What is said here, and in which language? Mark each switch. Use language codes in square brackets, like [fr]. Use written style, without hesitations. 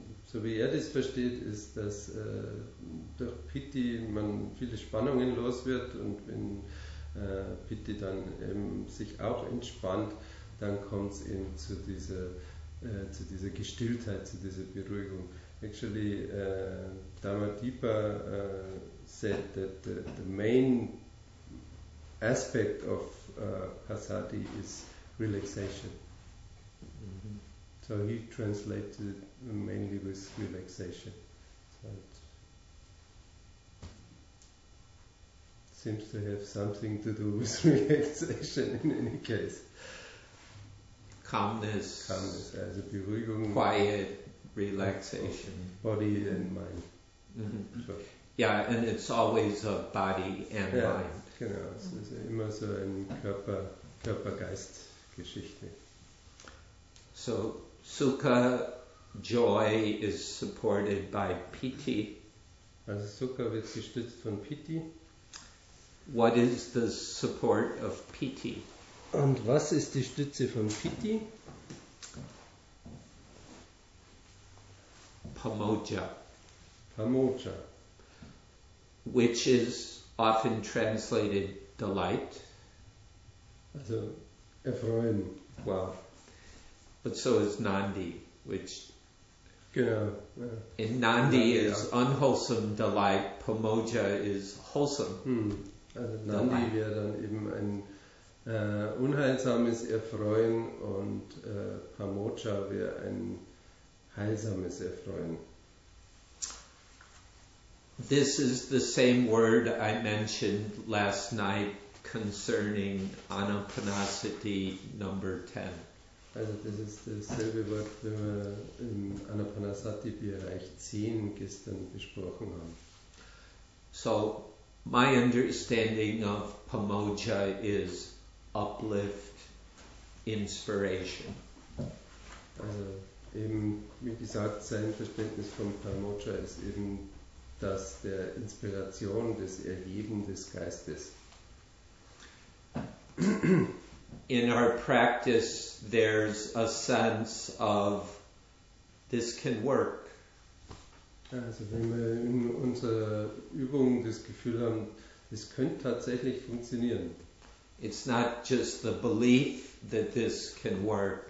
[de] So wie er das versteht, ist, dass durch Pity man viele Spannungen los wird und wenn Pity dann eben sich auch entspannt, dann kommt es eben zu dieser Gestilltheit, zu dieser Beruhigung. [en] Actually, Dharmadipa said that the main aspect of Pasadi is relaxation. So he translated mainly with relaxation. So it seems to have something to do with relaxation in any case. Calmness. Calmness, [de] also Beruhigung. [en] Quiet relaxation. Body and mind. Mm-hmm. So. Yeah, and it's always a body and yeah, mind. [de] Genau, es ist immer so eine Körper-Geist-Geschichte. [en] So, Sukha, joy is supported by piti. [de] Also Sukha wird gestützt von piti. [en] What is the support of piti? [de] Und was ist die Stütze von piti? [pi] Pamoja. Pamoja. [en] Which is often translated delight. [de] Also erfreuen. [en] Wow. But so is Nandi, which [de] genau, [en] in Nandi is unwholesome delight, Pamoja is wholesome. [de] Also Nandi wäre dann eben ein unheilsames Erfreuen und Pamoja wäre ein heilsames Erfreuen. [en] This is the same word I mentioned last night concerning Anapanasati number 10. [de] Also das ist dasselbe Wort, wie wir im Anapanasati Bereich 10 gestern besprochen haben. [en] So, my understanding of Pamoja is uplift, inspiration. [de] Also eben, wie gesagt, sein Verständnis von Pamoja ist eben das der Inspiration, des Erheben des Geistes. [en] In our practice, there's a sense of this can work. [de] Also wenn wir in unserer Übung das Gefühl haben, es könnte tatsächlich funktionieren. [en] It's not just the belief that this can work.